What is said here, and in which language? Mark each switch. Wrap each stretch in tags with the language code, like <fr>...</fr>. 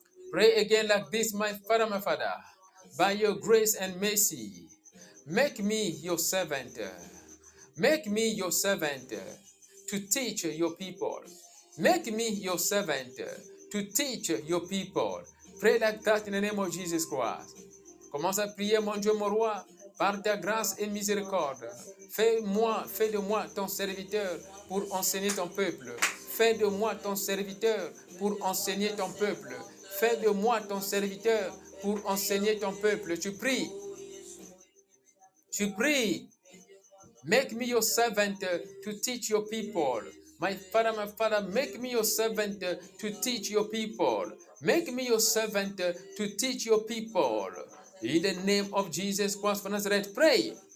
<en>Pray again like this, my Father, by your grace and mercy. Make me your servant. Make me your servant to teach your people. Make me your servant to teach your people. Pray like that in the name of Jesus Christ.</en> <fr>Commence à prier, mon Dieu, mon roi, par ta grâce et miséricorde. Fais de moi ton serviteur pour enseigner ton peuple. Fais de moi ton serviteur pour enseigner ton peuple. Fais de moi ton serviteur pour enseigner ton peuple. Tu pries. Tu pries.</fr> <en>Make me your servant to teach your people. My Father, make me your servant to teach your people. Make me your servant to teach your people. In the name of Jesus Christ of Nazareth, pray.</en>